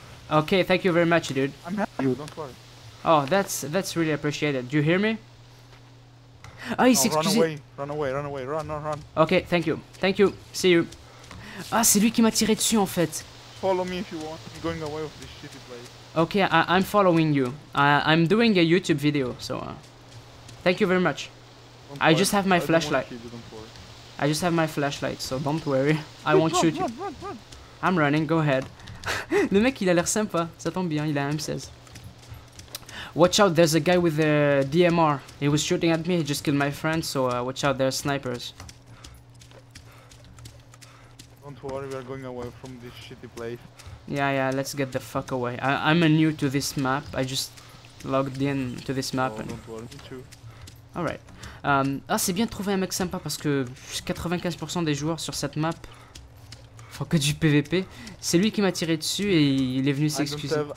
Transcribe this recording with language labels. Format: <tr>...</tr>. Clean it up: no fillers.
<en>Okay, thank you very much, dude. I'm happy. Don't worry. Oh, that's really appreciated. Do you hear me? Ah, he's excusé. Run away. Okay, thank you. See you.</en> <fr>Ah, c'est lui qui m'a tiré dessus, en fait.</fr> <en>Follow me if you want. I'm going away with this shitty place. Okay, I'm following you. I'm doing a YouTube video, so thank you very much. Don't I just have my I flashlight. I just have my flashlight, so don't worry. I won't shoot you. Run. I'm running, go ahead.</en> <fr>Le mec, il a l'air sympa. Ça tombe bien, il a un M16.</fr> <en>Watch out, there's a guy with a DMR. He was shooting at me, he just killed my friend, so watch out, there's snipers. Don't worry, we are going away from this shitty place. Yeah, yeah, let's get the fuck away. I'm new to this map, I just logged in to this map. Oh, and... don't worry, me too. Alright.</en> <fr>C'est bien de trouver un mec sympa parce que 95% des joueurs sur cette map font que du PVP. C'est lui qui m'a tiré dessus et il est venu s'excuser.</fr>